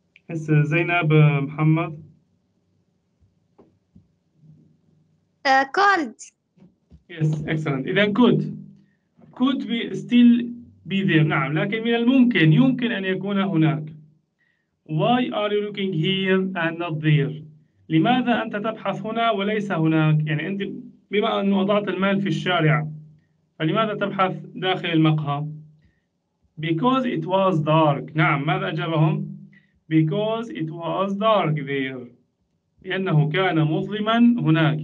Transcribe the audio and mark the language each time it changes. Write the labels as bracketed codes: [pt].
[ar] هسه زينب محمد. [en] Cold. Yes. Excellent. إذا could. Could be still be there. [ar] نعم لكن من الممكن يمكن أن يكون هناك. [en] Why are you looking here and not there? [ar] لماذا أنت تبحث هنا وليس هناك؟ يعني أنت بما أن وضعت المال في الشارع فلماذا تبحث داخل المقهى؟ [en] Because it was dark. [ar] نعم ماذا أجابهم؟ [en] Because it was dark there. [ar] لأنه كان مظلما هناك.